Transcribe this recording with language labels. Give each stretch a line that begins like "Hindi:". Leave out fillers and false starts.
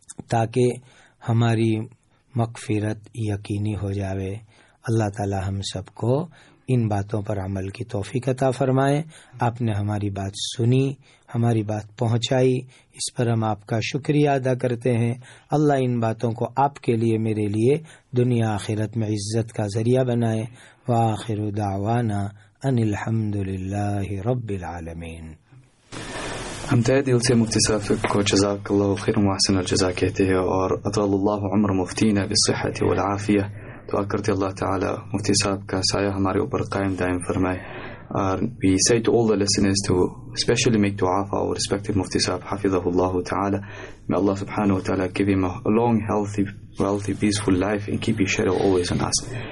Urdu: تاکہ ہماری مغفرت یقینی ہو جاوے۔ اللہ تعالی ہم سب کو ان باتوں پر عمل کی توفیق عطا فرمائے۔ آپ نے ہماری بات سنی، ہماری بات پہنچائی، اس پر ہم آپ کا شکریہ ادا کرتے ہیں۔ اللہ ان باتوں کو آپ کے لیے، میرے لیے، دنیا آخرت میں عزت کا ذریعہ بنائے۔
Arabic: وآخر دعوانا ان الحمد لله رب العالمين.
Urdu: ہم تہ دل سے مفتی صاحب کو
Arabic: جزاک اللہ خیر و احسن الجزا
Urdu: کہتے ہیں اور
Arabic: اطول اللہ عمر مفتینا بالصحت والعافیہ.
Urdu: دعا کرتے اللہ تعالی مفتی صاحب کا سایہ ہمارے اوپر قائم دائم فرمائے.
English: We say to all the listeners to especially make dua for our respective Mufti Sahib, Hafizahullahu Ta'ala. May Allah Subhanahu Wa Ta'ala give him a long, healthy, wealthy, peaceful life and keep his shadow always on us.